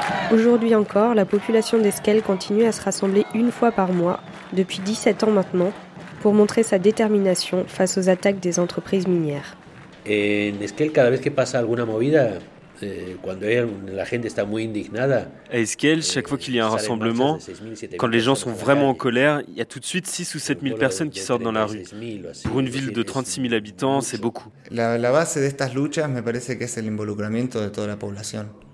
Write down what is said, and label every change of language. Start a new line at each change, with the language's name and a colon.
French: Aujourd'hui encore, la population d'Esquel continue à se rassembler une fois par mois, depuis 17 ans maintenant, pour montrer sa détermination face aux attaques des entreprises minières.
Spanish: En Esquel, cada vez que pasa alguna movida, cuando la gente está muy indignada.
French: À Esquel, chaque fois qu'il y a un rassemblement, quand les gens sont vraiment en colère, il y a tout de suite 6 ou 7 000 personnes qui sortent dans la rue. Pour une ville de 36 000 habitants, c'est beaucoup.
Spanish: La base de estas luchas me parece que es el involucramiento de toda la población.